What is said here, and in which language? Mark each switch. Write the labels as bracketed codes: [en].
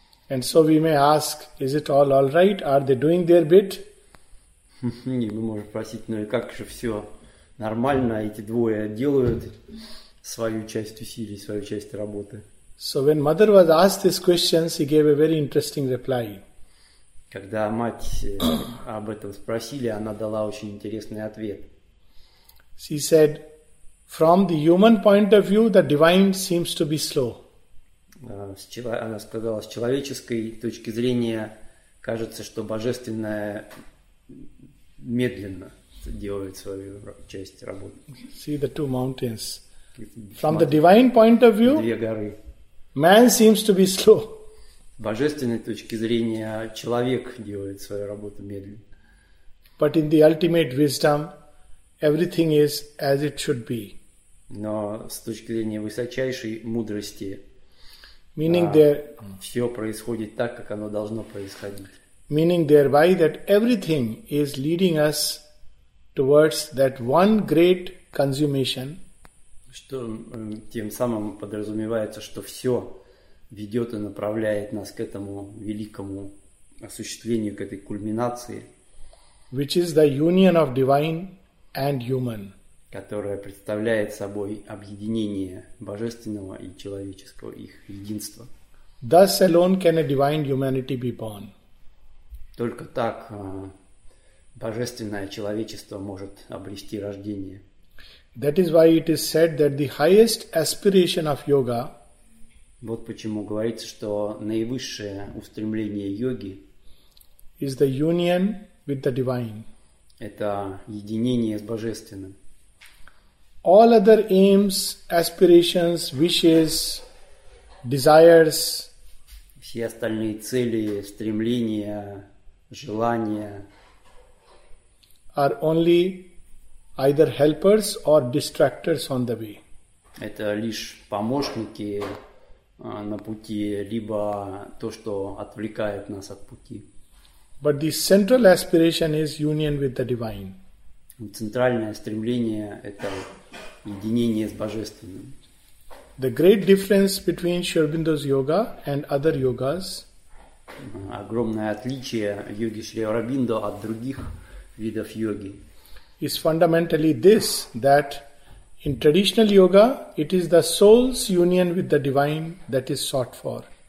[en] And so we may ask, is it all right? Are they doing their bit? [ru] И мы можем спросить, ну и как же все нормально, эти двое делают свою часть усилий, свою часть работы. [en] So when mother was asked these questions, she gave a very interesting reply. [ru] Когда мать об этом спросили, она дала очень интересный ответ. [en] She said, from the human point of view, the divine seems to be slow. [ru] Она сказала, с человеческой точки зрения, кажется, что божественное медленно делает свою часть работы. [en] See the two mountains. From the divine point of view, [ru] две горы. [en] Man seems to be slow. [ru] С божественной точки зрения, человек делает свою работу медленно. [en] But in the ultimate wisdom, everything is as it should be. [ru] Но с точки зрения высочайшей мудрости, [en] meaning there, [ru] все происходит так, как оно должно происходить. [en] Meaning thereby that everything is leading us towards that one great consummation. [ru] Что тем самым подразумевается, что все ведет и направляет нас к этому великому осуществлению, к этой кульминации, [en] which is the union of divine and human, [ru] которая представляет собой объединение божественного и человеческого, их единство. [en] Thus alone can a divine humanity be born. [ru] Только так божественное человечество может обрести рождение. [en] That is why it is said that the highest aspiration of yoga, [ru] вот почему говорится, что наивысшее устремление йоги, [en] is the union with the divine. [ru] Это единение с божественным. [en] All other aims, aspirations, wishes, desires, [ru] все остальные цели, стремления, желания, [en] are only either helpers or distractors on the way. [ru] Это лишь помощники на пути, либо то, что отвлекает нас от пути. [en] But the central aspiration is union with the divine. [ru] Центральное стремление – это единение с божественным. [en] The great difference between Sri Aurobindo's yoga and other yogas, [ru] огромное отличие йоги Шри Аурабиндо от других видов йоги, [en] is fundamentally this, that in traditional yoga, it is the soul's union with the divine that is sought for.